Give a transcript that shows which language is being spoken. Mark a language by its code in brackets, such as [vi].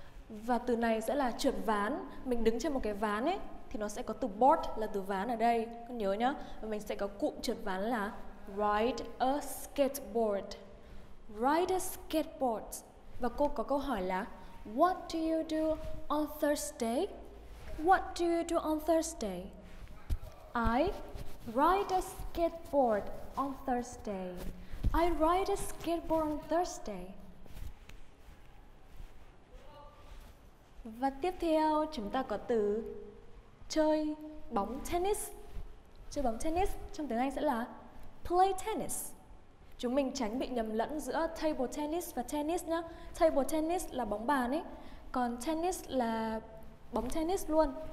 [vi] Và từ này sẽ là trượt ván, mình đứng trên một cái ván ấy thì nó sẽ có từ board là từ ván ở đây, con nhớ nhá. Và mình sẽ có cụm trượt ván là [en] ride a skateboard. Ride a skateboard. [vi] Và cô có câu hỏi là [en] What do you do on Thursday? What do you do on Thursday? I ride a skateboard on Thursday. I ride a skateboard on Thursday. [vi] Và tiếp theo chúng ta có từ chơi bóng tennis. Chơi bóng tennis trong tiếng Anh sẽ là [en] play tennis. [vi] Chúng mình tránh bị nhầm lẫn giữa table tennis và tennis nhá. Table tennis là bóng bàn ấy, còn tennis là bóng tennis luôn.